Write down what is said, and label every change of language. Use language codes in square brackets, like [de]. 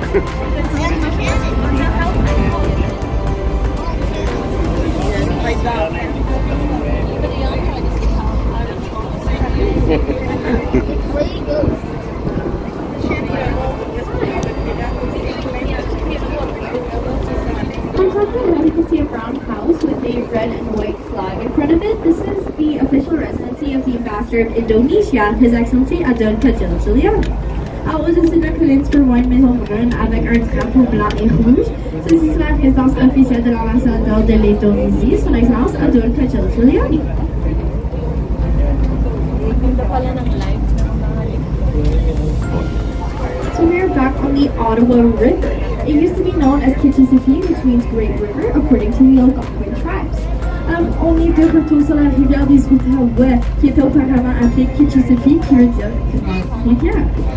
[en] On top of the hill, you can see a brown house with a red and white flag in front of it. This is the official residency of the Ambassador of Indonesia, His Excellency Adun Kajilatulia. [fr] Alors, je suis de Collins pour une maison brune avec un drapeau blanc et rouge. Ceci est la résidence officielle de l'ambassadeur de l'Indonésie, son excellence Adun Kajilatulia. [en] So we are back on the Ottawa River. It used to be known as Kitchissippi, which means Great River, according to the Algonquin tribes. [fr] On est de retour sur la rivière des Outaouais, qui était auparavant appelée Kitchissippi, qui veut dire rivière.